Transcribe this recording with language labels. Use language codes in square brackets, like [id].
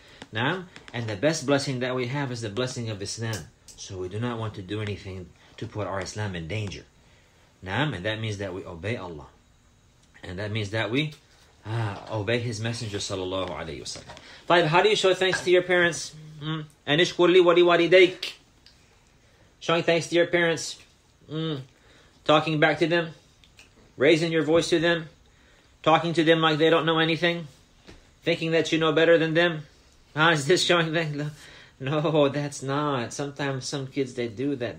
[en] Now, and the best blessing that we have is the blessing of Islam. So we do not want to do anything to put our Islam in danger. Naam, and that means that we obey Allah. And that means that we obey His Messenger, sallallahu alayhi wa sallam. [ar] طيب, [en] how do you show thanks to your parents? [ar] And اشكر لي ولوالديك. [en] Showing thanks to your parents. Talking back to them. Raising your voice to them. Talking to them like they don't know anything. Thinking that you know better than them. Is this showing thanks? No, that's not. Sometimes some kids, they do that.